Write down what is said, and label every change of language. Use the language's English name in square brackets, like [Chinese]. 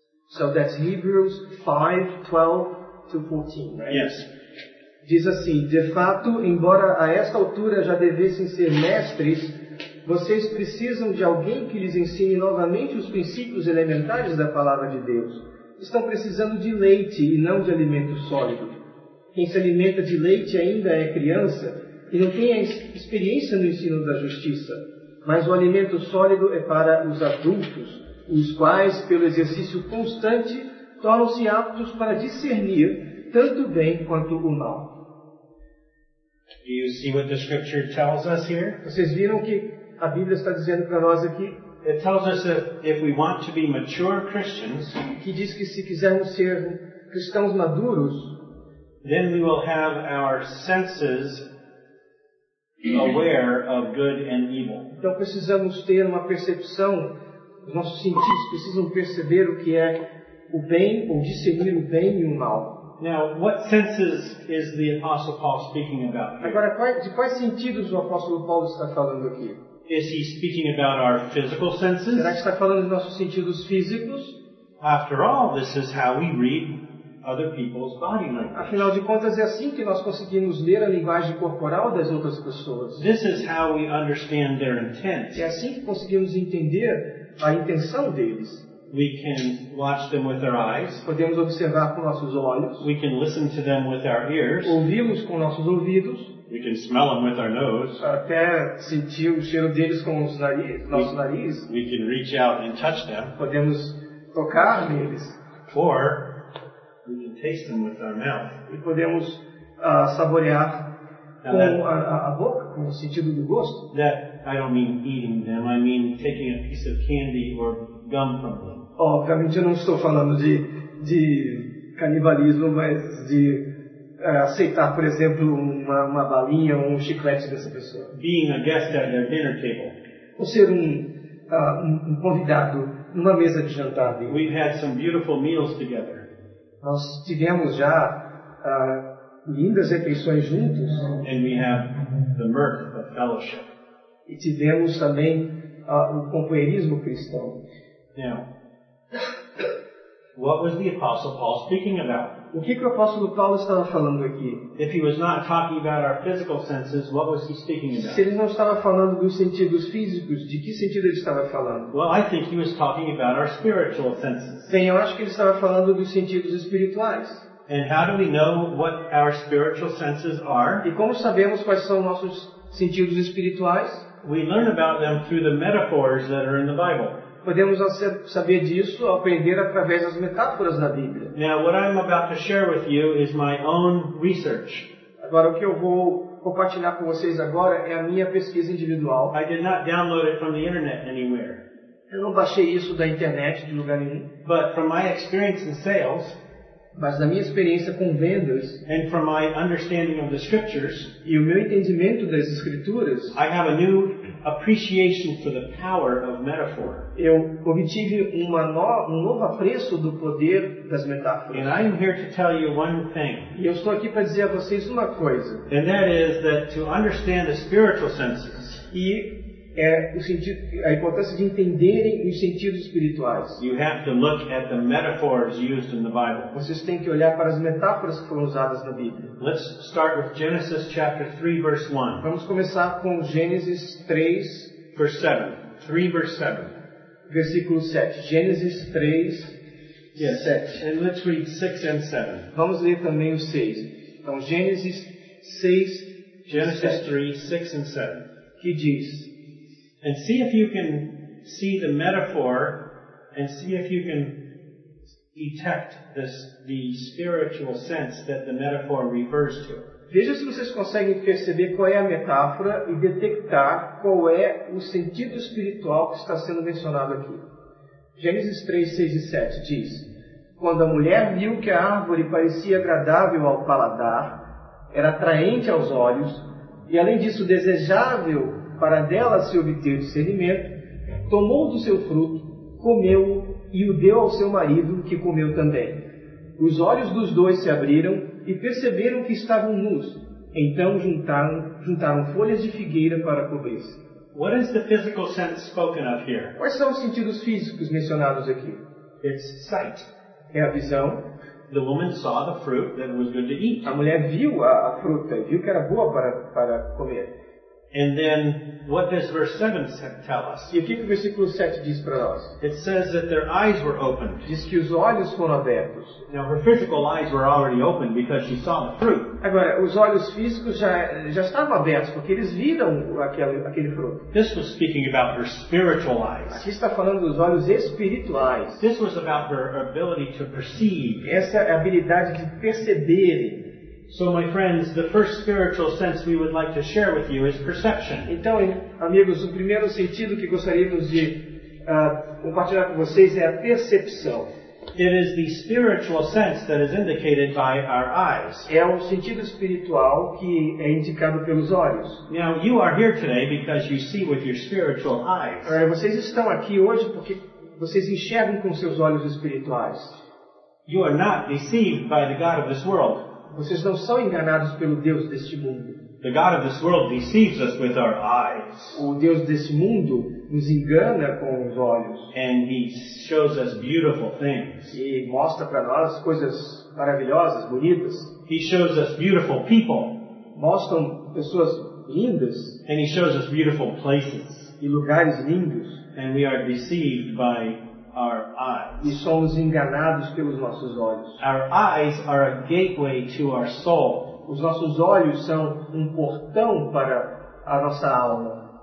[English] So that's Hebrews 5, 12 to 14, right? Yes. [Portuguese] Diz assim: de fato, embora a esta altura já devessem ser mestres, vocês precisam de alguém que lhes ensine novamente os princípios elementares da palavra de Deus. Estão precisando de leite e não de alimento sólido. quem se alimenta de leite ainda é criança e não tem a experiência no ensino da justiça. Mas o alimento sólido é para os adultos, os quais, pelo exercício constante, tornam-se aptos para discernir tanto o bem quanto o mal. [English] Do you see what the scripture tells us here? [Portuguese] Vocês viram o que a Bíblia está dizendo para nós aqui? [English] It tells us that if we want to be mature Christians, [Portuguese] que diz que se quisermos ser cristãos maduros, [English] then we will have our senses aware of good and evil. [Portuguese] Então precisamos ter uma percepção, os nossos sentidos precisam perceber o que é o bem ou discernir o bem e o mal. [English] Now, what senses is the Apostle Paul speaking about here? [Portuguese] Agora, de quais sentidos o Apóstolo Paulo está falando aqui? [English] Is he speaking about our physical senses? [Portuguese] Será que está falando dos nossos sentidos físicos? [English] After all, this is how we read other people's body language. [Portuguese] Afinal de contas, é assim que nós conseguimos ler a linguagem corporal das outras pessoas. [English] This is how we understand their intent. [Portuguese] É assim que conseguimos entender a intenção deles. [English] We can watch them with our eyes. [Portuguese] Podemos observar com nossos olhos. [English] We can listen to them with our ears. [Portuguese] Ouvi-los com nossos ouvidos. [English] We can smell them with our nose. [Portuguese] Até sentir o cheiro deles com os nariz, nosso nariz. [English] We can reach out and touch them. [Portuguese] Podemos tocar neles. [English] Or we can taste them with our mouth. [Portuguese] E podemos saborear a boca, com o sentido do gosto. [English] That I don't mean eating them. I mean taking a piece of candy or gum from them. [Portuguese] Obviamente eu não estou falando de canibalismo, mas de aceitar, por exemplo, uma balinha ou um chiclete dessa pessoa. [English] Being a guest at their dinner table. [Portuguese] Ou ser um convidado numa mesa de jantar. Viu? [English] We've had some beautiful meals together. [Portuguese] Nós tivemos já lindas refeições juntos. [English] And we have the mirth of fellowship. [Portuguese] E tivemos também o companheirismo cristão. [English] Now, what was the Apostle Paul speaking about? [Portuguese] O que o Apóstolo Paulo estava falando aqui? [English] If he was not talking about our physical senses, what was he speaking about? [Portuguese] Se ele não estava falando dos sentidos físicos, de que sentido ele estava falando? [English] Well, I think he was talking about our spiritual senses. [Portuguese] Bem, eu acho que ele estava falando dos sentidos espirituais. [English] And how do we know what our spiritual senses are? [Portuguese] E como sabemos quais são nossos sentidos espirituais? [English] We learn about them through the metaphors that are in the Bible. [Portuguese] Podemos saber disso ao aprender através das metáforas da Bíblia. [English] Now, what I'm about to share with you is my own research. [Portuguese] Agora, o que eu vou compartilhar com vocês agora é a minha pesquisa individual. [English] I did not download it from the internet anywhere. [Portuguese] Eu não baixei isso da internet de lugar nenhum. [English] But from my experience in sales, [Portuguese] mas da minha experiência com vendas, [English] and from my understanding of the scriptures, [Portuguese] e o meu entendimento das escrituras, [English] I have a new appreciation for the power of metaphor. [Portuguese] Eu obtive um novo apreço do poder das metáforas. [English] And I am here to tell you one thing. [Portuguese] E eu estou aqui para dizer a vocês uma coisa. [English] And that is that to understand the spiritual senses, [Portuguese] e é o sentido, a importância de entenderem os sentidos espirituais. [English] You have to look at the metaphors used in the Bible. [Portuguese] Vocês têm que olhar para as metáforas que foram usadas na Bíblia. [English] Let's start with Genesis chapter 3 verse 1. [Portuguese] Vamos começar com Gênesis 3 [English] verse 7. 3 verse 7. [Portuguese] Versículo 7. Gênesis 3 [English] yes. 7. And let's read 6 and 7. [Portuguese] Vamos ler também o 6. Então Gênesis 6 [English] Genesis 7. 3 6 and 7. [Portuguese] Que diz: [English] and see if you can see the metaphor, and see if you can detect the spiritual sense that the metaphor refers to. [Portuguese] Veja se vocês conseguem perceber qual é a metáfora e detectar qual é o sentido espiritual que está sendo mencionado aqui. Gênesis 3, 6 e 7 diz: quando a mulher viu que a árvore parecia agradável ao paladar, era atraente aos olhos, e além disso desejável para dela se obter discernimento, tomou do seu fruto, comeu-o e o deu ao seu marido, que comeu também. Os olhos dos dois se abriram e perceberam que estavam nus. Então juntaram folhas de figueira para cobrir-se. [English] What is the physical sense spoken of here? [Portuguese] Quais são os sentidos físicos mencionados aqui? [English] It's sight. [Portuguese] É a visão. [English] The woman saw the fruit that was good to eat. [Portuguese] A mulher viu a fruta, viu que era boa para comer. [English] And then, what does verse 7 tell us? [Portuguese] E o que o versículo 7 diz para nós? [English] It says that their eyes were opened. [Portuguese] Diz que os olhos foram abertos. [English] Now, her physical eyes were already opened because she saw the fruit. [Portuguese] Agora, os olhos físicos já estavam abertos porque eles viram aquele fruto. [English] This was speaking about her spiritual eyes. [Portuguese] Aqui está falando dos olhos espirituais. [English] This was about her ability to perceive. [Portuguese] Essa é a habilidade de perceber. [English] So my friends, the first spiritual sense we would like to share with you is perception. [Portuguese] Então, amigos, o primeiro sentido que gostaríamos de compartilhar com vocês é a percepção. [English] It is the spiritual sense that is indicated by our eyes. [Portuguese] É o sentido espiritual que é indicado pelos olhos. [English] Now, you are here today because you see with your spiritual eyes. [Portuguese] Ora, vocês estão aqui hoje porque vocês enxergam com seus olhos espirituais. [English] You are not deceived by the god of this world. [Portuguese] Vocês não são enganados pelo Deus deste mundo. [English] The god of this world deceives us with our eyes. [Portuguese] O Deus deste mundo nos engana com os olhos. [English] And he shows us beautiful things. [Portuguese] E mostra para nós coisas maravilhosas, bonitas. [English] He shows us beautiful people. [Portuguese] Mostram pessoas lindas. [English] And he shows us beautiful places. [Portuguese] E lugares lindos. [English] And we are deceived by our eyes. [Portuguese] E somos enganados pelos nossos olhos. [English] Our eyes are a gateway to our soul. [Portuguese] Os nossos olhos são portão para a nossa alma.